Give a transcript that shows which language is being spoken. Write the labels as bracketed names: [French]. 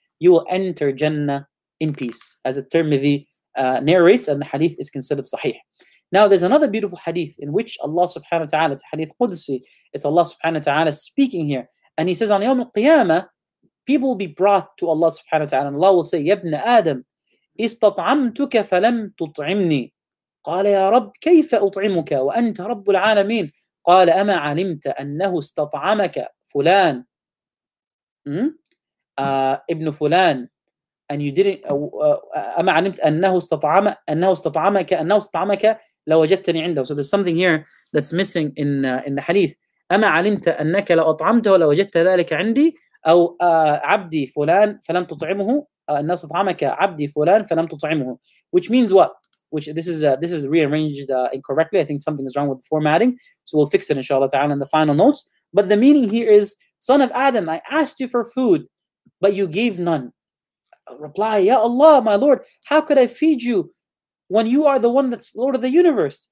[English] You will enter Jannah in peace, as the Tirmidhi narrates, and the hadith is considered sahih. Now, there's another beautiful hadith in which Allah subhanahu wa ta'ala, it's hadith Qudsi, it's Allah subhanahu wa ta'ala speaking here. And he says, on Yawm al-Qiyamah, people will be brought to Allah subhanahu wa ta'ala, and Allah will say, [Arabic] Yabna Adam, istat'amtuka falam tut'imni. قال يا رب كيف أطعمك وأنت رب العالمين قال أما علمت أنه استطعمك فلان ابن فلان [English] and you didn't [Arabic] أما علمت أنه استطعمك لوجدتني عنده. [English] So there's something here that's missing in the hadith. [Arabic] أما علمت أنك لأطعمته لوجدت ذلك عندي أو عبدي فلان فلم تطعمه أنه استطعمك عبدي فلان فلم تطعمه, [English] which means what? Which this is rearranged incorrectly. I think something is wrong with the formatting. So we'll fix it, inshallah ta'ala, in the final notes. But the meaning here is, son of Adam, I asked you for food, but you gave none. I'll reply, Ya Allah, my Lord, how could I feed you when you are the one that's Lord of the universe?